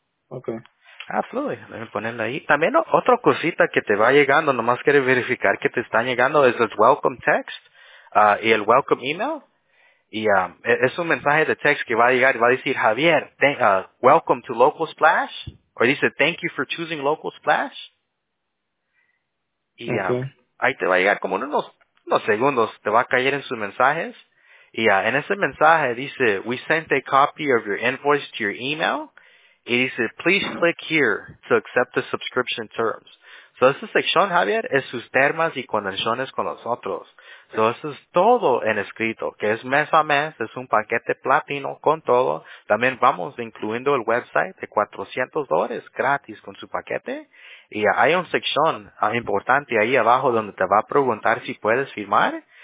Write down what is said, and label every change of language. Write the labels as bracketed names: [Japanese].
[English] Ok. Absolutely. Let me [Spanish] ponerlo ahí. También otra cosita que te va llegando, nomás quiere verificar que te están llegando, es el welcome text y el welcome email. Y es un mensaje de text que va a llegar y va a decir, Javier, [English] welcome to Local Splash. [Spanish] O dice, [English] thank you for choosing Local Splash. [Spanish] Y ahí te va a llegar como en unos segundos, te va a caer en sus mensajes. Y en ese mensaje dice, [English] we sent a copy of your invoice to your email. [Spanish] Y dice, [English] please click here to accept the subscription terms. [Spanish] So, esa sección, Javier, es sus termas y condiciones con nosotros. So, eso es todo en escrito, que es mes a mes, es un paquete platino con todo. También vamos incluyendo el website de $400 gratis con su paquete. Y hay una sección importante ahí abajo donde te va a preguntar si puedes firmar.